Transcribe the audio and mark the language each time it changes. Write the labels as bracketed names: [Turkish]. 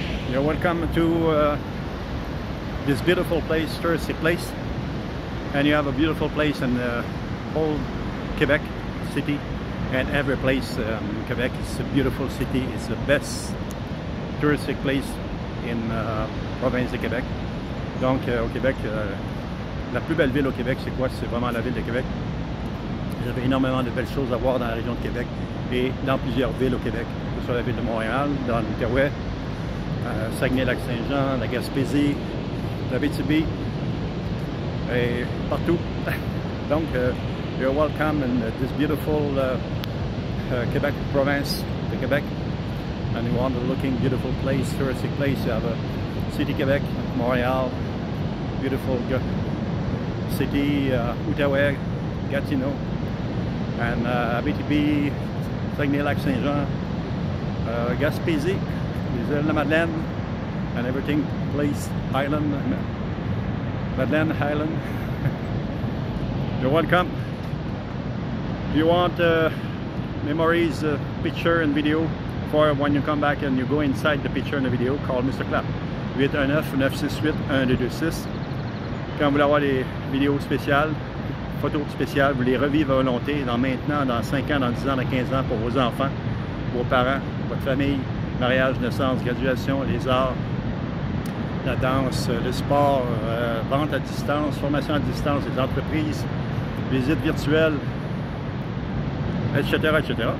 [English] You're welcome to this beautiful place, touristy place, and you have a beautiful place in the whole Quebec city, and every place in Quebec is a beautiful city. It's the best touristic place in the province de Québec. [French] Donc au Québec, la plus belle ville au Québec, c'est quoi? C'est vraiment la ville de Québec. Vous avez énormément de belles choses à voir dans la région de Québec et dans plusieurs villes au Québec, que ce soit la ville de Montréal, dans l'Outaouais, Saguenay-Lac-Saint-Jean, la Gaspésie, la BTB, et partout. [English] Donc, you're welcome in this beautiful Quebec province, the Quebec. And you want a looking beautiful place, touristic place. You have a city Quebec, Montreal, beautiful city, Outaouais, Gatineau, and BTB, Saguenay-Lac-Saint-Jean, Gaspésie, les îles de la Madeleine, and everything, place, island, Madeleine Island. You're welcome. If you want memories, picture and video, for when you come back and you go inside the picture and the video, call Mr. Clap. 819-968-1226. [French] Quand vous voulez avoir des vidéos spéciales, photos spéciales, vous les revivez à volonté, dans maintenant, dans 5 ans, dans 10 ans, dans 15 ans, pour vos enfants, vos parents, votre famille, mariage, naissance, graduation, les arts, la danse, le sport, vente à distance, formation à distance, les entreprises, visite virtuelle, etc., etc.